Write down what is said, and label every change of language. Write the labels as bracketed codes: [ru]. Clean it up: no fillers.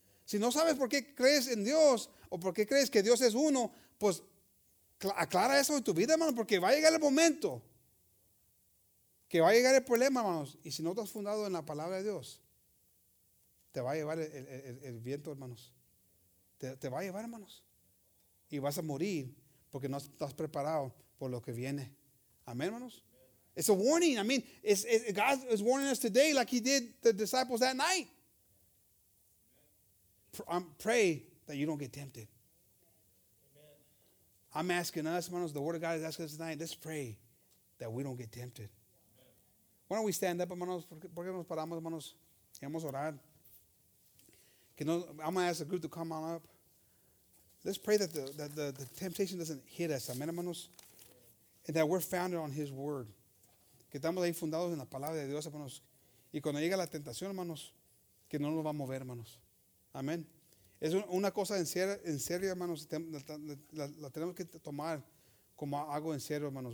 [es] Si no sabes por qué crees en Dios o por qué crees que Dios es uno, pues aclara eso en tu vida, hermano, porque va a llegar el momento que va a llegar el problema, hermanos. Y si no estás fundado en la palabra de Dios, te va a llevar el viento, hermanos. Te va a llevar, hermanos. Y vas a morir porque no estás preparado por lo que viene. Amén, hermanos. [en] Amen. It's a warning. I mean, God is warning us today like he did the disciples that night. Pray that you don't get tempted. Amen. I'm asking us, hermanos, the word of God is asking us tonight, let's pray that we don't get tempted. Why don't we stand up, hermanos? [es] ¿Por qué nos paramos, hermanos? Y vamos a orar. [en] I'm going to ask the group to come on up. Let's pray that the temptation doesn't hit us, amen, hermanos? And that we're founded on his word. [es] Que estamos ahí fundados en la palabra de Dios, hermanos. Y cuando llega la tentación, hermanos, que no nos va a mover, hermanos. Amén. Es una cosa en serio, hermanos. La tenemos que tomar como algo en serio, hermanos.